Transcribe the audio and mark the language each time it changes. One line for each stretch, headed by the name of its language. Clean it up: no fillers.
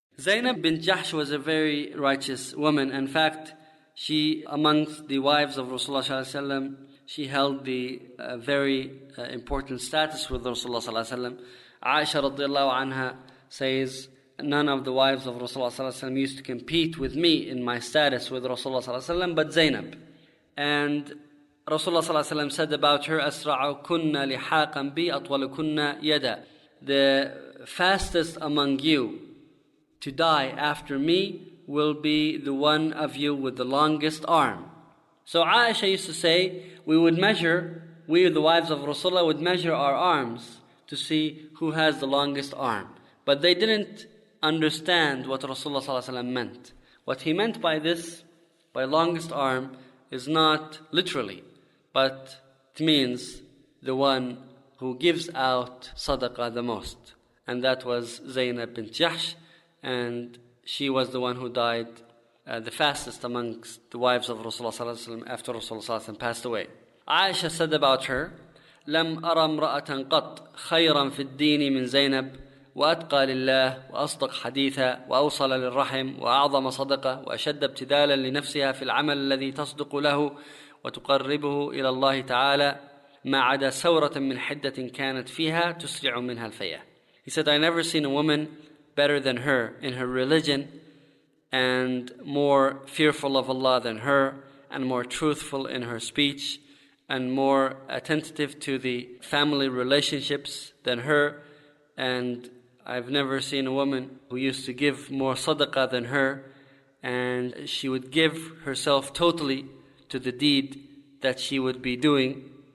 English: Zainab bint Jahsh was a very righteous woman. In fact, she, amongst the wives of Rasulullah ﷺ, she held the very important status with Rasulullah ﷺ. Aisha radiallahu anha says, none of the wives of Rasulullah ﷺ used to compete with me in my status with Rasulullah ﷺ, but Zainab.
Arabic: And Rasulullah ﷺ said about her, أَسْرَعُ كُنَّ لِحَاقًا بِي أَطْوَلُ كُنَّ يَدًا.
English: The fastest among you to die after me will be the one of you with the longest arm. So Aisha used to say, we, the wives of Rasulullah, would measure our arms to see who has the longest arm. But they didn't understand what Rasulullah ﷺ meant. What he meant by this, by longest arm, is not literally, but it means the one who gives out sadaqah the most. And that was Zainab bint Jahsh, and she was the one who died the fastest amongst the wives of Rasulullah ﷺ after Rasulullah ﷺ passed away.
Arabic: Aisha said about her, لَمْ أَرَ مْرَأَةً قَطْ خَيْرًا فِي الدِّينِ مِنْ زَيْنَبْ وَأَتْقَى لِلَّهِ وَأَصْدَقْ حَدِيثًا وَأَوْصَلَ لِلرَّحِمْ وَأَعْظَمَ صَدَقَةً وَأَشَدَّ ابْتِدَالًا لِنَفْسِهَا فِي الْعَمَلِ الَّذِي تَصْدُقُ لَهُ وَتُقَرِّبُهُ إِلَى اللَّهِ تَعَالَى مَا عَدَى سَوْرَةً مِنْ حِدَّةٍ كَانَتْ فِيهَا تُسْرِعُ مِنْهَا الْفَيَاءُ.
English: He said, I never seen a woman better than her in her religion, and more fearful of Allah than her, and more truthful in her speech, and more attentive to the family relationships than her. And I've never seen a woman who used to give more sadaqah than her, and she would give herself totally to the deed that she would be doing.